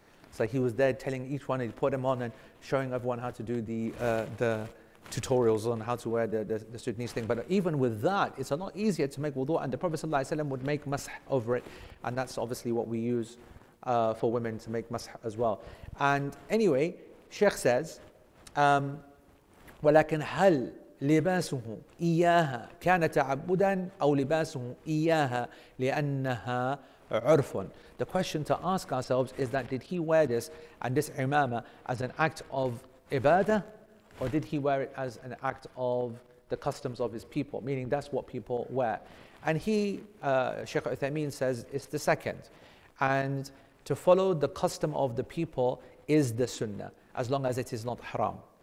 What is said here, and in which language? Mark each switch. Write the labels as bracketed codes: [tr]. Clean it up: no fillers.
[en] So he was there telling each one, he put them on and showing everyone how to do the tutorials on how to wear the Sudanese thing. But even with that, it's a lot easier to make wudu, and the Prophet ﷺ would make masah over it. And that's obviously what we use for women to make masah as well. And anyway, Sheikh says, [ar] ولكن هل لباسه إياها كان تعبدا أو لباسه إياها لأنها عرف. [en] The question to ask ourselves is that did he wear this and this imama as an act of ibadah or did he wear it as an act of the customs of his people, meaning that's what people wear? And he, Sheikh Uthaymeen, says it's the second. And to follow the custom of the people is the sunnah, as long as it is not haram.